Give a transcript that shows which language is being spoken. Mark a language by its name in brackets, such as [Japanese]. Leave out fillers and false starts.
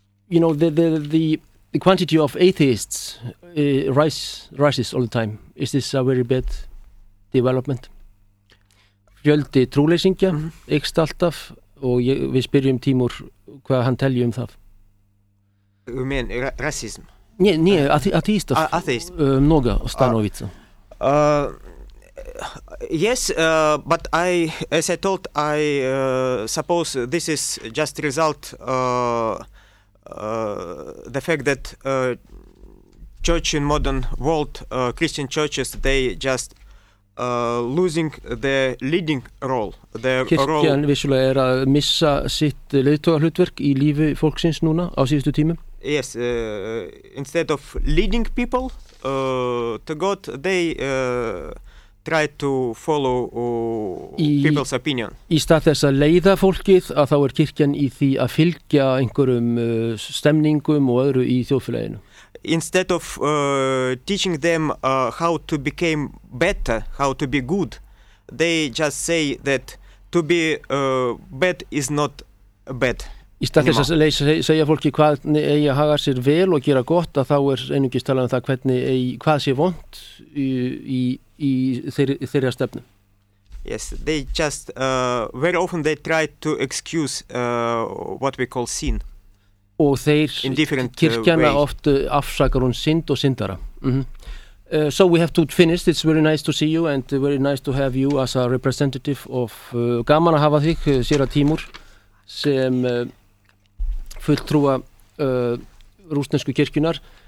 [English] You know, the quantity of atheists rises all the time. Is this a very bad development? [Icelandic] Fjöldi trúleysingja, ekst alltaf, og við spyrjum Tímur hvað hann telji það. [English] You mean racism? [Icelandic] Nei, atheistar. [English] Atheist. Noga og stanovitsa. Yes, but I, as I told, I suppose this is just result the fact that church in modern world, Christian churches, they just losing their leading role. [Icelandic] Kirkjan vissulega að missa sitt leiðtogahlutverk í lífi fólksins núna á síðustu tímum? [English] Yes, instead of leading people to God, they try to follow people's opinion. [Icelandic] Í stað þess að leiða fólkið, að þá kirkjan í því að fylgja einhverjum stemningum og öðru í þjóðfélaginu. [English] Instead of teaching them how to become better, how to be good, they just say that to be bad is not bad. [Icelandic] Í stað þess að segja fólki hvað eigi að haga sér vel og gera gott, að þá einungist talað það hvað sé vont í í þeirra stefnu. [English] Yes, they just very often they try to excuse what we call sin. [Icelandic] Og þeir kirkjana oft afsakar hún synd og syndara. [English] Mm-hmm. So we have to finish. It's very nice to see you and very nice to have you as a representative of [Icelandic] gaman að hafa þig, Séra Tímur, sem fulltrúa rússnesku kirkjunar.